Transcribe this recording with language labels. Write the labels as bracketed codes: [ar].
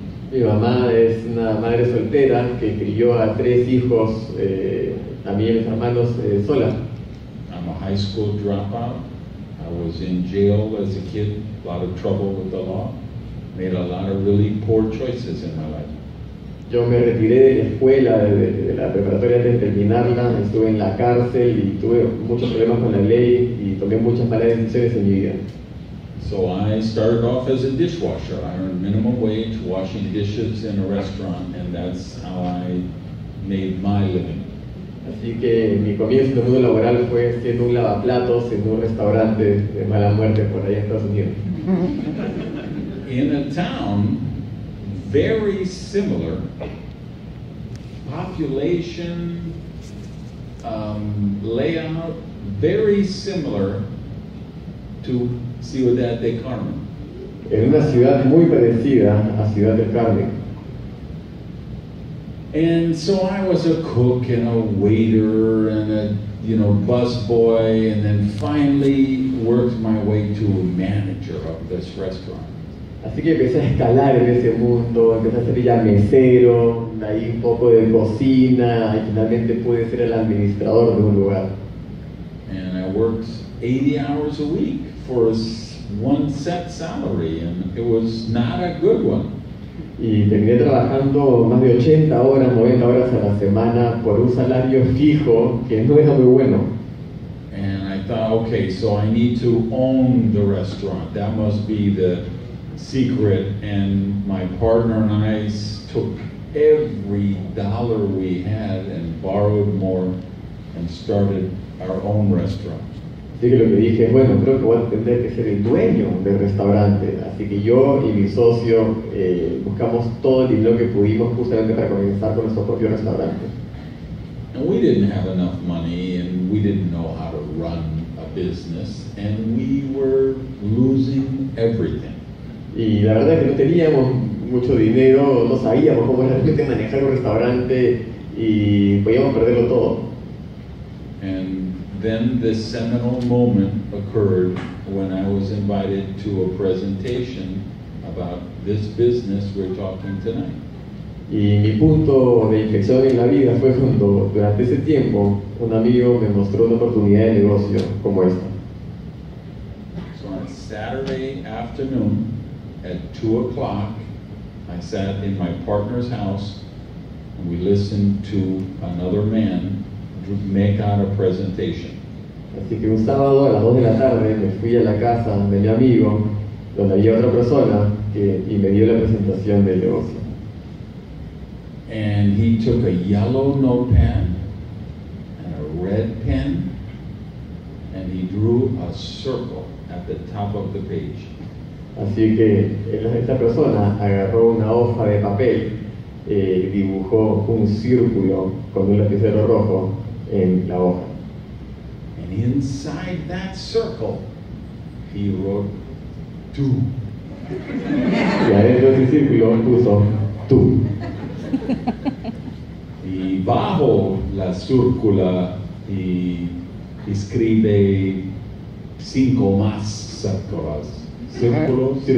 [es] Mi mamá es una madre soltera que crió a 3 hijos, también mis hermanos, sola. [en] I'm a high school dropout. I was in jail as a kid, a lot of trouble with the law. Made a lot of really poor choices in my life. [es] Yo me retiré de la escuela, de la preparatoria antes de terminarla, estuve en la cárcel y tuve muchos problemas con la ley y tomé muchas malas decisiones en mi vida. [en] So I started off as a dishwasher. I earned minimum wage washing dishes in a restaurant, and that's how I made my living. [es] Así que mi comienzo en el mundo laboral fue siendo un lavaplatos en un restaurante de mala muerte por allá en Estados Unidos. [en] In a town very similar, population, layout very similar to Ciudad de Carmen. [es] En una ciudad muy parecida a Ciudad de Carmen. [en] And so I was a cook and a waiter and a, you know, busboy, and then finally worked my way to a manager of this restaurant. [es] Así que empecé a escalar en ese mundo, empecé a ser ya mesero, ahí un poco de cocina, y finalmente pude ser el administrador de un lugar. [en] And I worked 80 hours a week for one set salary, and it was not a good one. [es] Y terminé trabajando más de 80 horas, 90 horas a la semana por un salario fijo que no era muy bueno. [en] thought, okay, so I need to own the restaurant. That must be the secret. And my partner and I took every dollar we had and borrowed more and started our own restaurant. [es] Así que lo que dije, bueno, creo que voy a tener que ser el dueño del restaurante. Así que yo y mi socio buscamos todo el dinero que pudimos justamente para comenzar con nuestro propio restaurante. [en] And we didn't have enough money and we didn't know how to run a business and we were losing everything. [es] Y la verdad es que no teníamos mucho dinero, no sabíamos cómo era realmente manejar un restaurante y podíamos perderlo todo. [en] And then this seminal moment occurred when I was invited to a presentation about this business we're talking tonight. [es] Y mi punto de inflexión en la vida fue cuando, durante ese tiempo, un amigo me mostró una oportunidad de negocio como esta. [en] So on Saturday afternoon at 2 o'clock, I sat in my partner's house and we listened to another man make out a presentation. [es] Así que un sábado a las 2 de la tarde me fui a la casa de mi amigo donde había otra persona que, y me dio la presentación del negocio. [en] And he took a yellow notepad and a red pen and he drew a circle at the top of the page. [es] Así que esta persona agarró una hoja de papel, dibujó un círculo con un lapicero rojo en la hoja. [en] And inside that circle, he wrote tú. [es] Y adentro del círculo puso tú. Y bajo la círcula y escribe cinco más círculos.